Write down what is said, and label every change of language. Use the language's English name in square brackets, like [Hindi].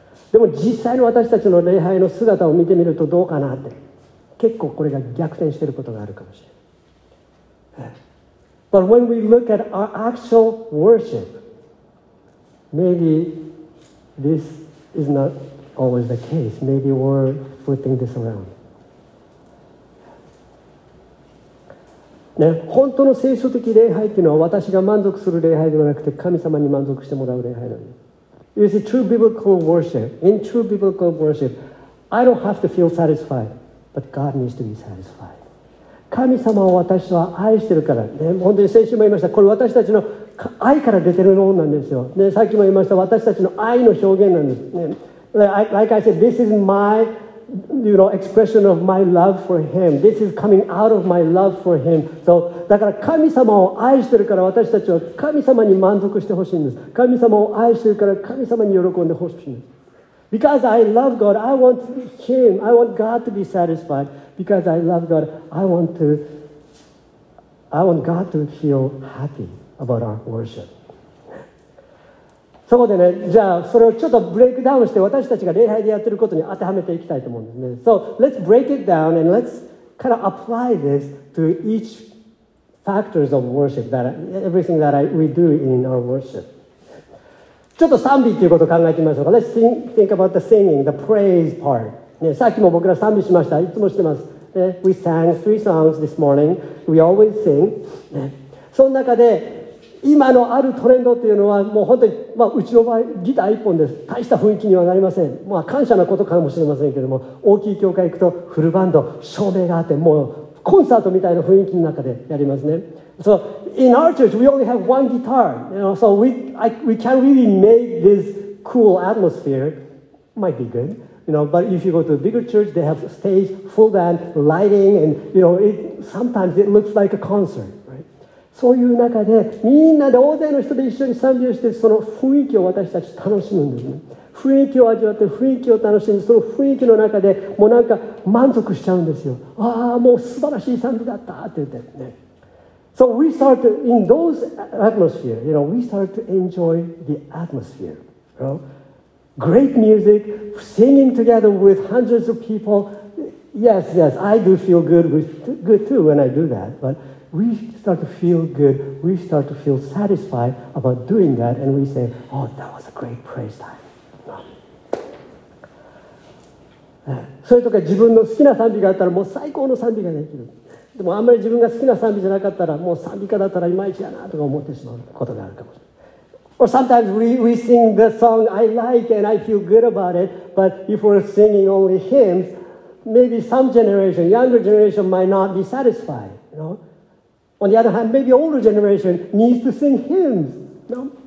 [Japanese] でも実際の私たちの礼拝の姿を見てみるとどうかなって、結構これが逆転していることがあるかもしれない。 [English] But when we look at our actual worship, maybe this is not always the case. Maybe we're flipping this around. [Japanese] ね、本当の聖書的礼拝っていうのは私が満足する礼拝ではなくて神様に満足してもらう礼拝なんです。 [English] You see, true biblical worship, in true biblical worship, I don't have to feel satisfied, but God needs to be satisfied. [Japanese] 神様を私は愛してるから、ね、本当に先週も言いました、これ私たちの愛から出てるものなんですよ、ね、さっきも言いました、私たちの愛の表現なんです、ね、 [English] Like I said, this is my, you know, expression of my love for him. This is coming out of my love for him. [Japanese] So, だから神様を愛してるから私たちは神様に満足してほしいんです。神様を愛してるから神様に喜んでほしいんです。 [English] Because I love God, I want Him, I want God to be satisfied. Because I love God, I want God to feel happy about our worship. [Japanese] そこでね、じゃあそれをちょっとブレイクダウンして私たちが礼拝でやってることに当てはめていきたいと思うんですね。 [English] So let's break it down and let's kind of apply this to each factors of worship that everything that we do in our worship. [Japanese] ちょっと賛美ということを考えてみましょうか。 [English] Let's think about the singing, the praise part.、 [Japanese] ね、さっきも僕ら賛美しました。いつもしてます、 [English] ね。We sang three songs this morning. We always sing.、 [Japanese] ね、その中で、今のあるトレンドっていうのは、もう本当に、まあ、うちの場合、ギター一本です。大した雰囲気にはなりません。まあ、感謝なことかもしれませんけども、大きい教会行くと、フルバンド、照明があって、もうコンサートみたいな雰囲気の中でやりますね。 [English] So, in our church, we only have one guitar. You know, so we can't really make this cool atmosphere. Might be good. You know, but if you go to a bigger church, they have a stage, full band, lighting, and, you know, sometimes it looks like a concert, right? [Japanese] そういう中で、みんなで大勢の人で一緒に賛美をして、その雰囲気を私たち楽しむんですね。雰囲気を味わって、雰囲気を楽しんで、その雰囲気の中で、もうなんか満足しちゃうんですよ。ああ、もう素晴らしい賛美だったって言ってね。 [English] So we start to, in those atmosphere, you know, we start to enjoy the atmosphere, you know? Great music, singing together with hundreds of people. Yes, yes, I do feel good too when I do that. But we start to feel good, we start to feel satisfied about doing that, and we say, oh, that was a great praise time. [Japanese] それとか自分の好きな賛美があったらもう最高の賛美ができる。でもあんまり自分が好きな賛美じゃなかったらもう賛美歌だったらいまいちやなとか思ってしまうことがあるかもしれない。 [English] Or sometimes we sing the song I like and I feel good about it, but if we're singing only hymns, maybe some generation, younger generation might not be satisfied, you know? On the other hand, maybe older generation needs to sing hymns, you know?